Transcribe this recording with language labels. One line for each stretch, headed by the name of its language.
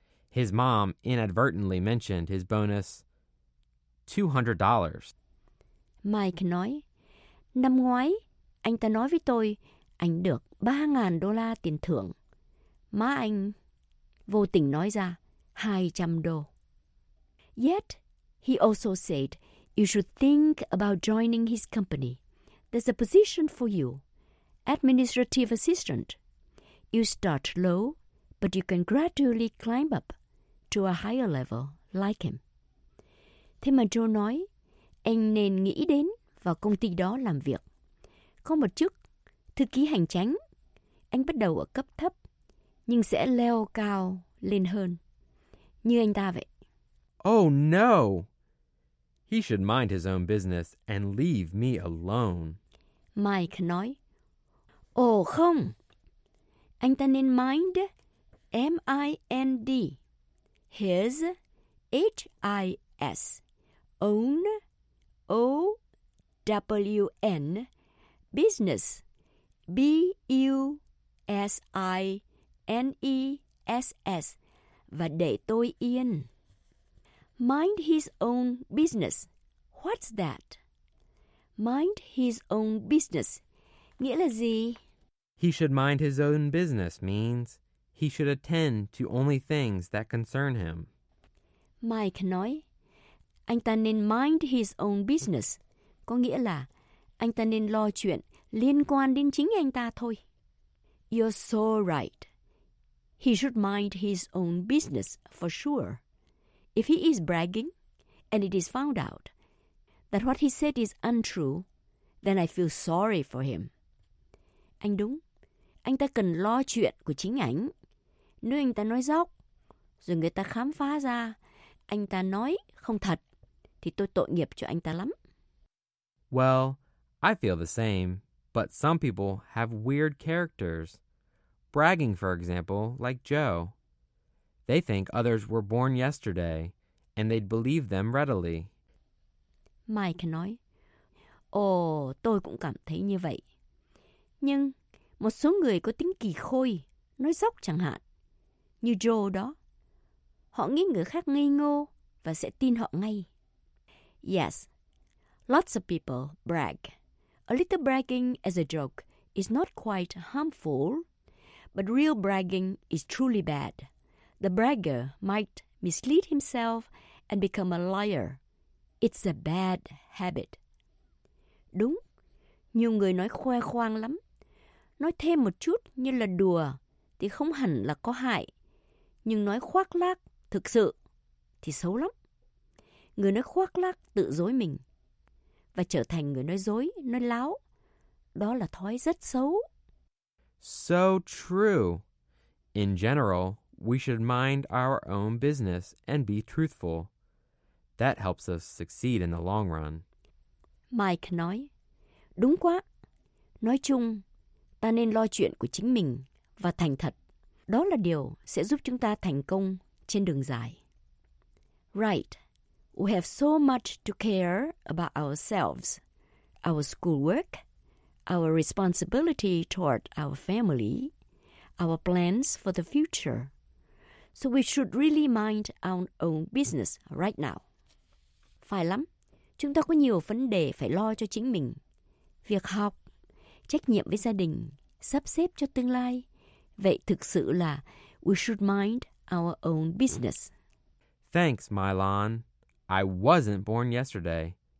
English: His mom inadvertently mentioned his bonus $200.
Vietnamese: Mike nói, năm ngoái, anh ta nói với tôi, anh được $3,000 tiền thưởng. Má anh vô tình nói ra, $200.
English: Yet, he also said, you should think about joining his company. There's a position for you, administrative assistant. You start low, but you can gradually climb up to a higher level like him.
Vietnamese: Thế mà Joe nói, anh nên nghĩ đến vào công ty đó làm việc. Có một chức thư ký hành chính, anh bắt đầu ở cấp thấp, nhưng sẽ leo cao lên hơn, như anh ta vậy.
English: Oh no! He should mind his own business and leave me alone.
Vietnamese: Mike nói, ồ không, anh ta nên mind, M-I-N-D, his, H-I-S, own, O-W-N, business, B-U-S-I-N-E-S-S, và để tôi yên.
English: Mind his own business. What's that?
Vietnamese: Mind his own business. Nghĩa là gì?
English: He should mind his own business means he should attend to only things that concern him.
Vietnamese: Mike nói, anh ta nên mind his own business. Có nghĩa là anh ta nên lo chuyện liên quan đến chính anh ta thôi.
English: You're so right. He should mind his own business for sure. If he is bragging and it is found out that what he said is untrue, then I feel sorry for him.
Vietnamese: Anh đúng. Anh ta cần lo chuyện của chính ảnh. Nếu anh ta nói dốc, rồi người ta khám phá ra anh ta nói không thật, thì tôi tội nghiệp cho anh ta lắm.
English: Well, I feel the same, but some people have weird characters. Bragging, for example, like Joe. They think others were born yesterday, and they'd believe them readily.
Vietnamese: Mike nói, ồ, tôi cũng cảm thấy như vậy. Nhưng một số người có tính kỳ khôi, nói dốc chẳng hạn, như Joe đó. Họ nghĩ người khác ngây ngô và sẽ tin họ ngay.
English: Yes, lots of people brag. A little bragging as a joke is not quite harmful, but real bragging is truly bad. The bragger might mislead himself and become a liar. It's a bad habit.
Vietnamese: Đúng. Nhiều người nói khoe khoang lắm. Nói thêm một chút như là đùa thì không hẳn là có hại. Nhưng nói khoác lác thực sự thì xấu lắm. Người nói khoác lác tự dối mình và trở thành người nói dối, nói láo. đó là thói rất xấu.
English: So true. In general, we should mind our own business and be truthful. That helps us succeed in the long run.
Vietnamese: Mike nói, đúng quá. Nói chung, ta nên lo chuyện của chính mình và thành thật. Đó là điều sẽ giúp chúng ta thành công trên đường dài.
English: Right. We have so much to care about ourselves, our schoolwork, our responsibility toward our family, our plans for the future. So we should really mind our own business right now.
Vietnamese: Phải lắm. Chúng ta có nhiều vấn đề phải lo cho chính mình. Việc học, trách nhiệm với gia đình, sắp xếp cho tương lai. Vậy thực sự là we should mind our own business.
English: Thanks, Mylon. I wasn't born yesterday.